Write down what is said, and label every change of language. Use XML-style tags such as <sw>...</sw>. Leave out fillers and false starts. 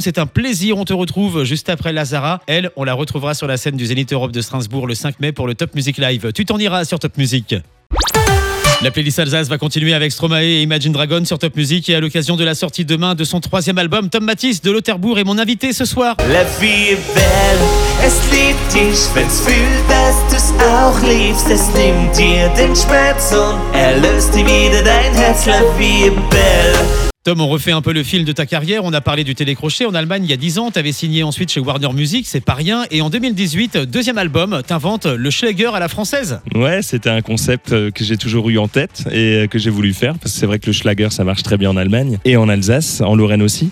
<fr>C'est un plaisir, on te retrouve juste après Lazara. Elle, on la retrouvera sur la scène du Zénith Europe de Strasbourg le 5 mai pour le Top Music Live. Tu t'en iras sur Top Music. La playlist Alsace va continuer avec Stromae et Imagine Dragon sur Top Music et à l'occasion de la sortie demain de son troisième album, Tom Matisse de Lauterbourg est mon invité ce soir. La vie est belle,</fr> <de>es liebt dich, wenn's fühlt, dass du's auch liebst, es nimmt dir den Schmerz und erlöst dir wieder dein Herz, la vie est belle.</de> <fr>Tom, on refait un peu le fil de ta carrière. On a parlé du télécrochet en Allemagne il y a 10 ans. Tu avais signé ensuite chez Warner Music, c'est pas rien. Et en 2018, deuxième album, t'inventes le schlager à la française. Ouais, c'était un concept que j'ai toujours eu en tête et que j'ai voulu faire. Parce que c'est vrai que le schlager, ça marche très bien en Allemagne et en Alsace, en Lorraine aussi.</fr>